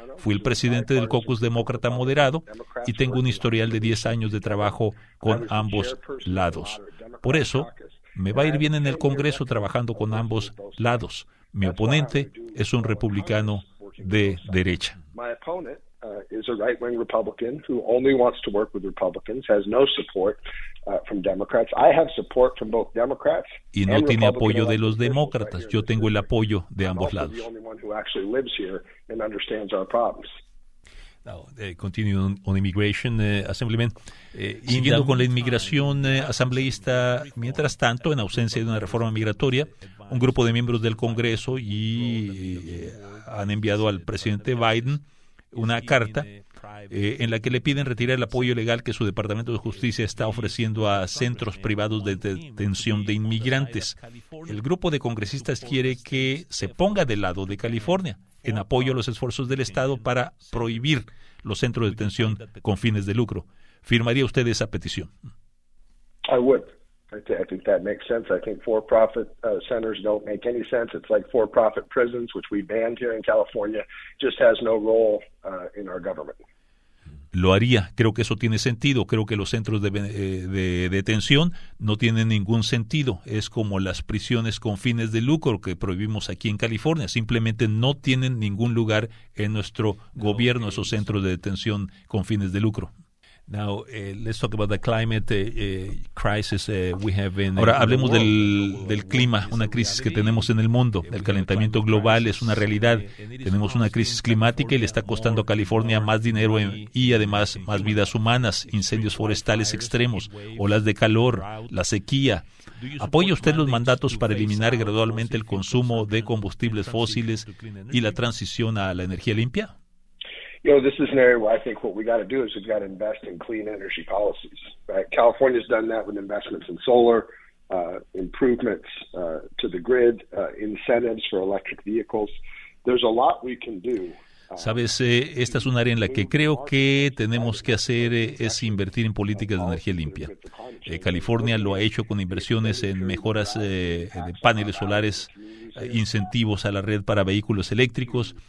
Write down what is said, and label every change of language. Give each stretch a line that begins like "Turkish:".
Spanish: Fui el presidente del Caucus Demócrata Moderado y tengo un historial de 10 años de trabajo con ambos lados. Por eso, me va a ir bien en el Congreso trabajando con ambos lados. Mi oponente es un republicano de derecha.
English: My opponent is a right-wing Republican who only wants to work with Republicans, has no support from Democrats. I have support from both Democrats.
Spanish: Y no tiene apoyo de los demócratas. Yo tengo el apoyo de ambos lados.
English: The only one who actually lives here and understands our problems. Now, continuing on immigration, Assemblyman,
Spanish: siguiendo con la inmigración, asambleísta, mientras tanto, en ausencia de una reforma migratoria, un grupo de miembros del Congreso y han enviado al presidente Biden una carta en la que le piden retirar el apoyo legal que su Departamento de Justicia está ofreciendo a centros privados de detención de inmigrantes. El grupo de congresistas quiere que se ponga del lado de California en apoyo a los esfuerzos del Estado para prohibir los centros de detención con fines de lucro. ¿Firmaría usted esa petición?
English: I would. I think that makes sense. I think for-profit centers don't make any sense. It's like for-profit prisons, which we banned here in California, just has no role in our government.
Spanish: Lo haría. Creo que eso tiene sentido. Creo que los centros de detención no tienen ningún sentido. Es como las prisiones con fines de lucro que prohibimos aquí en California. Simplemente no tienen ningún lugar en nuestro gobierno esos centros de detención con fines de lucro.
English: Now, let's talk about the climate crisis we have in.
Spanish: Ahora hablemos del clima, una crisis que tenemos en el mundo. El calentamiento global es una realidad. Tenemos una crisis climática y le está costando a California más dinero y además más vidas humanas, incendios forestales extremos, olas de calor, la sequía. ¿Apoya usted los mandatos para eliminar gradualmente el consumo de combustibles fósiles y la transición a la energía limpia?
English: You know, this is an area where I think what we got to do is we've got to invest in clean energy policies. Right? California's done that with investments in solar, improvements to the grid, incentives for electric vehicles. There's a lot we can do.
Spanish: Sabes, esta es un área en la que creo que tenemos que hacer es invertir en políticas de energía limpia. California lo ha hecho con inversiones en mejoras de paneles solares, incentivos a la red para vehículos eléctricos.